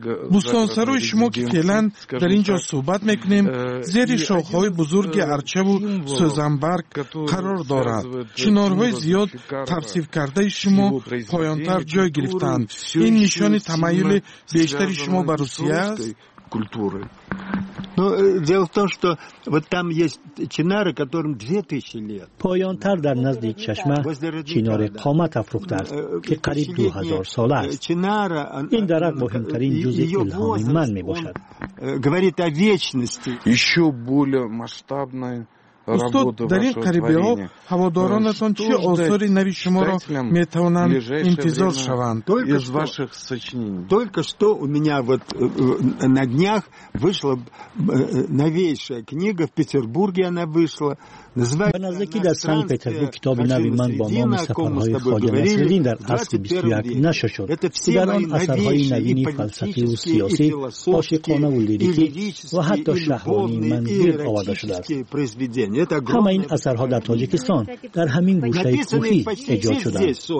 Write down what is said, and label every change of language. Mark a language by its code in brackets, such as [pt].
[fa] بوستان سروی شما که فیلن در اینجا صحبت میکنیم زیر شاخهای بزرگ ارچه و سوزنبرگ قرار دارد. چنارهای زیاد ترسیف کرده شما پایانتر جای گرفتند. این نشانی تمایل بیشتری شما به روسیه است؟ [ru] культуры. Но дело в том, что вот там есть чинары, которым 2000 лет. [tg] Поянтар дар назди чашма чинари қомат афрухт аст, ки қариб 2000 сол аст. [ru] Чинара [tg] ин дарах муҳимтарин юзи илҳоми ман мебошад. [ru] Говорит о вечности. Ещё более масштабная работа. Вот [tg] дари қарибео ҳаводоронатон чи осори нави шуморо метавонанд интизор шаванд [ru] из ваших сочинений. Только что у меня вот на днях вышла новейшая книга в Петербурге, она вышла. Называется она закида [tg] Санкт-Петербург китоби нави ман ба номи сафарҳои Хоҷа Насреддин дар асри 21 нашр шуд. Сигарон асарҳои навини фалсафӣ ва сиёсӣ, ошиқона ва лирикӣ ва ҳатто шаҳвонии ман гирд оварда шудааст. Ҳама ин асарҳо дар Тоҷикистон дар ҳамин гӯшаи кӯҳӣ эҷод шудаанд.